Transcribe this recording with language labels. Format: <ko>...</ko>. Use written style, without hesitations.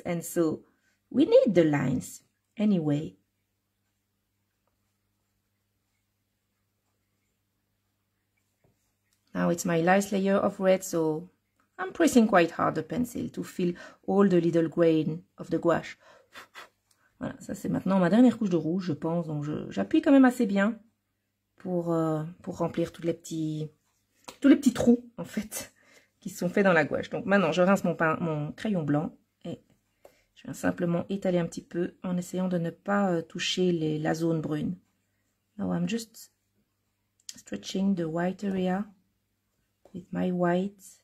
<en>And so we need the lines anyway. Now it's my last layer of red, so I'm pressing quite hard the pencil to fill all the little grain of the gouache.</en> <fr>Voilà, ça c'est maintenant ma dernière couche de rouge, je pense. Donc j'appuie quand même assez bien pour remplir tous les petits trous en fait qui sont faits dans la gouache. Donc maintenant je rince mon crayon blanc et je viens simplement étaler un petit peu en essayant de ne pas toucher la zone brune.</fr> <en>Now I'm just stretching the white area with my white.</en>